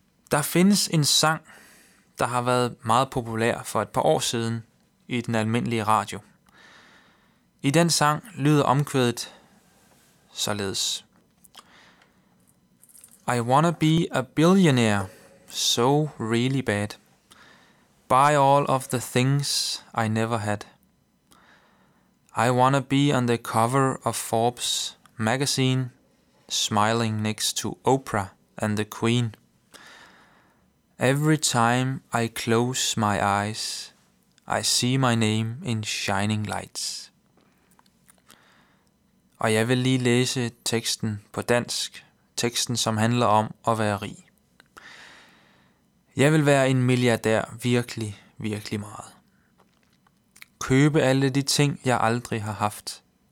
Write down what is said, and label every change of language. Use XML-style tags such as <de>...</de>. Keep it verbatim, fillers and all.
<da>Der findes en sang, der har været meget populær for et par år siden i den almindelige radio. I den sang lyder omkvædet således.</da> <en>I wanna be a billionaire, so really bad. Buy all of the things I never had. I wanna be on the cover of Forbes magazine, smiling next to Oprah and the Queen. Every time I close my eyes, I see my name in shining lights.</en> <da>Og jeg vil lige læse teksten på dansk, teksten som handler om at være rig. Jeg vil være en milliardær virkelig, virkelig meget. Købe alle de ting, jeg aldrig har haft.</da>